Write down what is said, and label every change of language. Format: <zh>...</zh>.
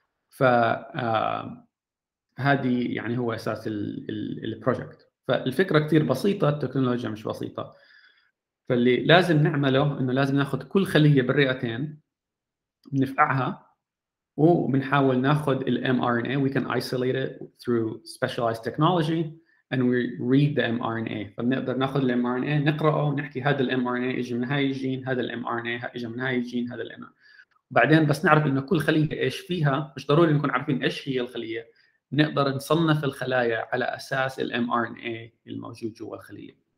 <ar>فهذه يعني هو أساس البروجكت. فالفكرة كتير بسيطة، التكنولوجيا مش بسيطة. فاللي لازم نعمله إنه لازم نأخذ كل خلية بالرئتين نفقعها وبنحاول نأخذ الـ mRNA.</ar> <en>We can isolate it through specialized technology and we read the mRNA.</en> <ar>فبنقدر نأخذ الـ mRNA نقرأه ونحكي هذا الـ mRNA إجى من هاي الجين، هذا الـ mRNA إجى من هاي الجين، هذا الـ mRNA. بعدين بس نعرف إنه كل خلية إيش فيها، مش ضروري نكون عارفين إيش هي الخلية. نقدر نصنف الخلايا على أساس الـ mRNA الموجود جوا الخلية.</ar>